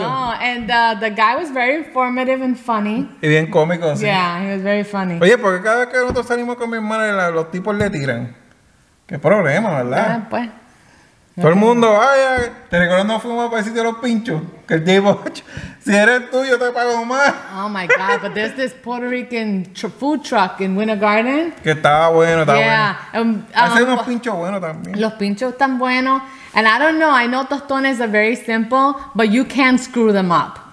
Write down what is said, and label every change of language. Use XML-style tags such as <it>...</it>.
<en>No, and the guy was very informative and funny.</en> <es>Y bien cómico, sí.</es> <en>Yeah, he was very funny.</en> <es>Oye, porque cada vez que nosotros salimos con mi hermana, los tipos le tiran. Qué problema, ¿verdad? Ah, pues. Okay. Todo el mundo, vaya, te recuerdo cuando fuimos para el sitio de los pinchos, que el tipo, si eres tú, yo te pago más.</es> <en>Oh my God, but there's this Puerto Rican food truck in Winter Garden.</en> <es>Que estaba bueno. Hacen unos pinchos buenos también. Los pinchos están buenos.</es> <en>And I don't know, I know tostones are very simple, but you can screw them up.</en>